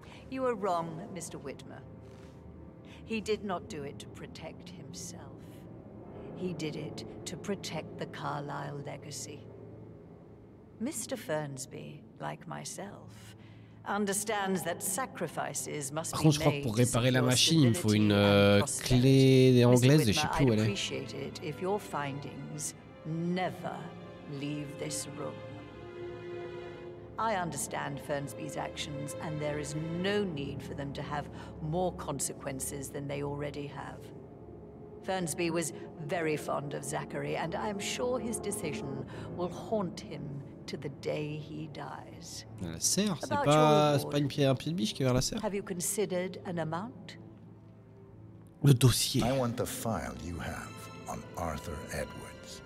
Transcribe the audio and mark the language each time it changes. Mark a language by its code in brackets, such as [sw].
[en] You are wrong, Mr. Whitmer. He did not do it to protect himself. He did it to protect the Carlyle legacy. Mr. Fernsby, like myself, understands that sacrifices must be made. [fr] Je crois que pour réparer la machine, il me faut une clé anglaise et je sais plus où elle est. [en] I'd appreciate it if your findings never leave this room. I understand Fernsby's actions, and there is no need for them to have more consequences than they already have. Fernsby was very fond of Xari, and I am sure his decision will haunt him to the day he dies. [fr] La serre, c'est pas une pierre, un pied de biche qui est vers la serre. [en] Have you considered an amount? [fr] Le dossier. [en] I want the file you have on Arthur Edwards.